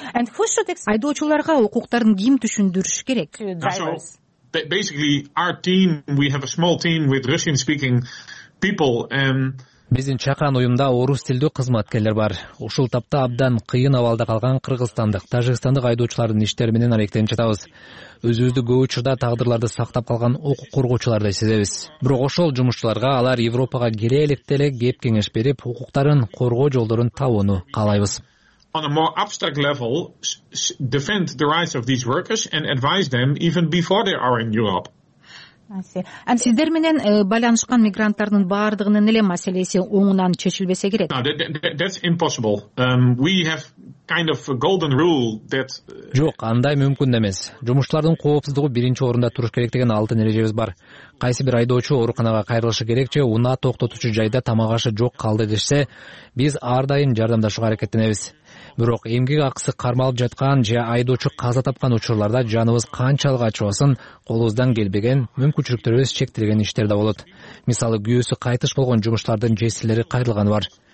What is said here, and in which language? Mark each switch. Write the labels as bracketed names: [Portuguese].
[Kyrgyz] Айдоочуларга укуктарын ким түшүндүрүш керек? [English] Basically our team, we have a small team with Russian speaking people and [Kyrgyz] биздин чакыран уюмда орус тилдүү кызматкерлер бар. Ушул тапта абдан кыйын абалда калган кыргызстандык, тажикстандык айдоочулардын иштери менен аракеттенип жатабыз. Өзүбүздү көп учурда тагдырларды сактап калган укук коргоочулардай сезебиз. Бирок ошол жумушчуларга алар Европага келе электе эле кеп кеңеш берип, укуктарын коргоо жолдорун табууну каалайбыз. [English] On a more abstract level, defend the rights of these workers and advise them even before they are in Europe. [Kyrgyz] Сиздер менен байланышкан мигранттардын баардыгынын эле маселеси оңунан чечилбесе керек? [English] That's impossible. We have kind of a golden rule that... [Kyrgyz] Жок, андай мүмкүн эмес. Жумушчулардын коопсуздугу биринчи орунда туруш керек деген алтын эрежебиз бар. Кайсы бир айдоочу ооруканага кайрылышы керек же унаа токтотуучу жайда тамак ашы жок калды дешсе, биз ар дайым жардамдашууга аракеттенебиз. Бирок эмгек акысы кармалып жаткан же айдоочу каза тапкан учурларда жаныбыз канчалык ачыбасын, колубуздан келбеген мүмкүнчүлүктөрүбүз чектелген иштер да болот. Мисалы, күйөөсү кайтыш болгон жумушчулардын жесирлери кайрылганы бар.